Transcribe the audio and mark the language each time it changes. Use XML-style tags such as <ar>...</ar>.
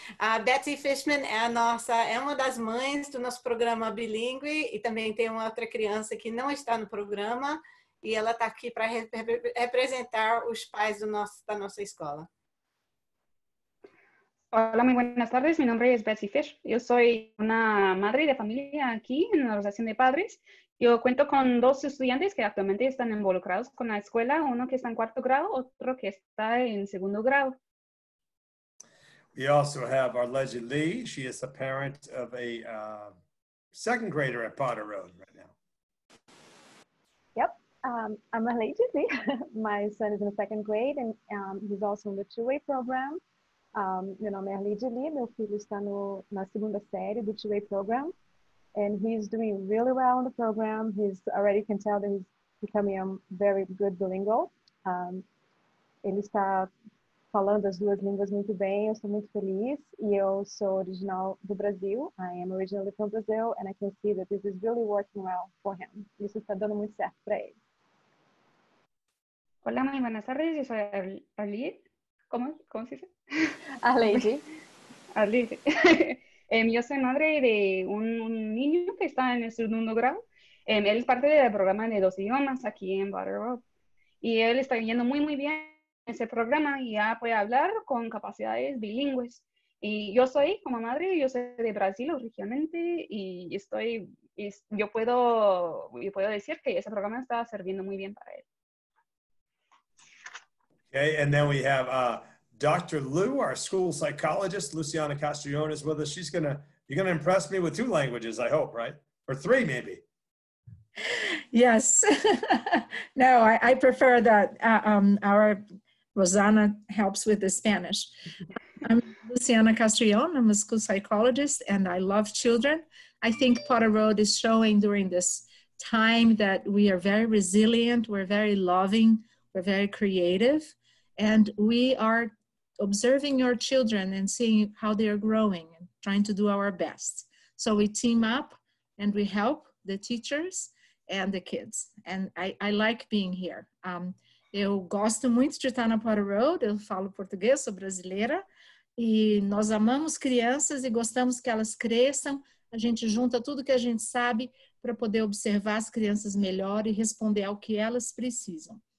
<pt>A Betsy Fishman é uma das mães do nosso programa bilíngue, e também tem uma outra criança que não está no programa, e ela está aqui para representar os pais da nossa escola.</pt> <es>Hola, muy buenas tardes. Mi nombre es Betsy Fish. Yo soy una madre de familia aquí en la Organización de Padres. Yo cuento con dos estudiantes que actualmente están involucrados con la escuela. Uno que está en cuarto grado, otro que está en segundo grado.</es> <en>We also have our legend Lee. She is a parent of a second grader at Potter Road right now. Yep, I'm a legend Lee. My son is in the second grade, and he's also in the two-way program.</en> <pt>Meu nome é Arlide Lee, meu filho está na segunda série do two-way program,</pt> <en>and he's doing really well in the program. He's already can tell that he's becoming a very good bilingual.</en> <pt>Ele está falando as duas línguas muito bem, eu estou muito feliz, e eu sou original do Brasil.</pt> <en>I am originally from Brazil, and I can see that this is really working well for him.</en> <pt>Isso está dando muito certo para ele.</pt> <es>Hola, muy buenas tardes, yo soy Arlide. ¿Cómo se dice? Arlide. Arlide. yo soy madre de un niño que está en el segundo grado. Él es parte del programa de dos idiomas aquí en Butter Road. Y él está yendo muy, muy bien ese programa y ya puede hablar con capacidades bilingües. Y yo soy, como madre, yo soy de Brasil originalmente y yo puedo decir que ese programa está sirviendo muy bien para él.</es> <en>Okay, and then we have Dr. Lu, our school psychologist, Luciana Castrione, is with us. You're going to impress me with two languages, I hope, right? Or three, maybe. Yes. No, I prefer that our Rosanna helps with the Spanish. I'm Luciana Castrione. I'm a school psychologist, and I love children. I think Potter Road is showing during this time that we are very resilient, we're very loving, we're very creative. And we are observing your children and seeing how they are growing and trying to do our best. So we team up and we help the teachers and the kids. And I like being here.</en> <pt>Eu gosto muito de estar na Potter Road. Eu falo português, sou brasileira. E nós amamos crianças e gostamos que elas cresçam. A gente junta tudo que a gente sabe para poder observar as crianças melhor e responder ao que elas precisam.</pt>